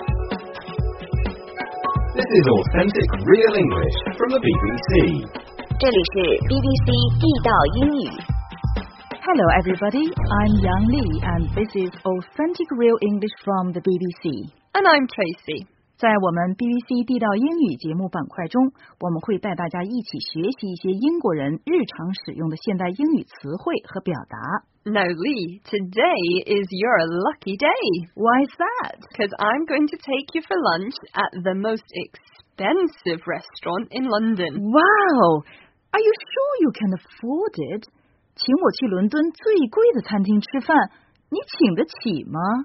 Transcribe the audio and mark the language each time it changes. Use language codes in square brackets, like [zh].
[en] This is Authentic Real English from the BBC. [zh] 这里是 BBC 地道英语。 [en] Hello everybody, I'm Yang Li and this is Authentic Real English from the BBC. And I'm Tracy. [zh] 在我们 BBC 地道英语节目板块中，我们会带大家一起学习一些英国人日常使用的现代英语词汇和表达。 [en] Now, Lee, today is your lucky day. Why is that? Because I'm going to take you for lunch at the most expensive restaurant in London. Wow! Are you sure you can afford it? [zh] 请我去伦敦最贵的餐厅吃饭，你请得起吗？